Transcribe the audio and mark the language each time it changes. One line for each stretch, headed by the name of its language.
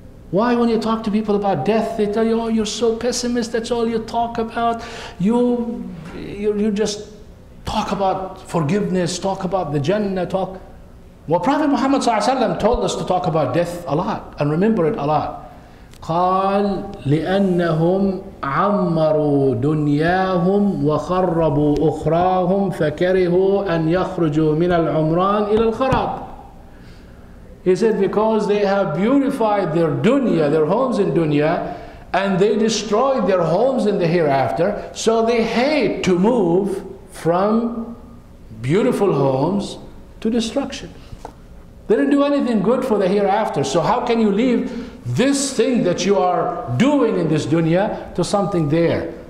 English: Why, when you talk to people about death, they tell you, oh, you're so pessimist, that's all you talk about. You just talk about forgiveness, talk about the Jannah, talk. Well, Prophet Muhammad sallallahu alaihi wasallam told us to talk about death a lot and remember it a lot.
Arabic: قال لأنهم عمروا دنياهم وخربوا أخراهم فكرهوا أن يخرجوا من العمران إلى الخراب.
English: He said, because they have beautified their dunya, their homes in dunya, and they destroyed their homes in the hereafter, so they hate to move from beautiful homes to destruction. They didn't do anything good for the hereafter, so how can you leave this thing that you are doing in this dunya to something there?